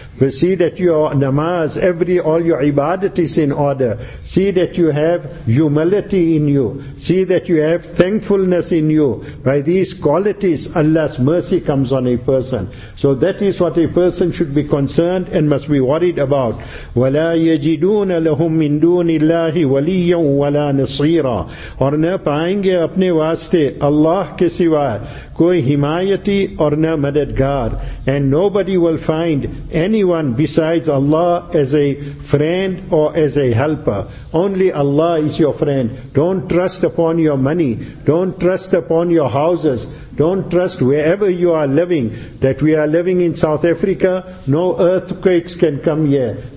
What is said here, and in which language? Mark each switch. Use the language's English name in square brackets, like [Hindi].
[English] But see that your namaz, every all your ibadat is in order. See that you have humility in you. See that you have thankfulness in you. By these qualities, Allah's mercy comes on a person. So that is what a person should be concerned and must be worried about. [Arabic] وَلَا يَجِدُونَ لَهُم مِّن دُونِ اللَّهِ وَلِيًّا وَلَا نَصِيرًا [Urdu] اور نہ پائیں گے اپنے واسطے اللہ کے سوا کوئی حمایتی اور نہ مددگار. [English] And nobody will find anyone besides Allah as a friend or as a helper. Only Allah is your friend. Don't trust upon your money. Don't trust upon your houses. Don't trust wherever you are living. That we are living in South Africa, no earthquakes can come here.